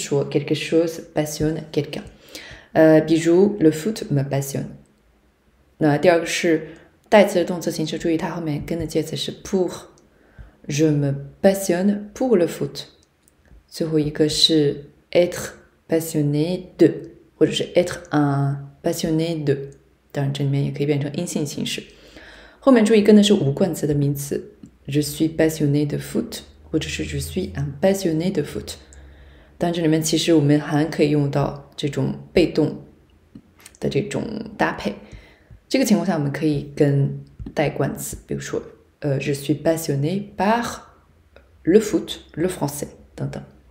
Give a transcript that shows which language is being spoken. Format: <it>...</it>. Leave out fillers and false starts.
<fr>Quelque chose passionne quelqu'un. Le foot me passionne.</fr> <zh>那第二个是, 代词的动词形式, 注意它后面跟的介词是 pour.</zh> <fr>Je me passionne pour le foot.</fr> <zh>最后一个是</zh> <fr>être passionné de. 或者是 être un passionné de.</fr> <zh>当然这里面也可以变成阴性形式.后面注意跟的是无冠词的名词.</zh> <fr>Je suis passionné de foot. 或者是 je suis un passionné de foot.</fr> <zh>但这里面其实我们还可以用到这种被动的这种搭配。这个情况下，我们可以跟带冠词，比如说，</zh> <fr>je suis passionné par le foot, le français</fr> <zh>等等。</zh>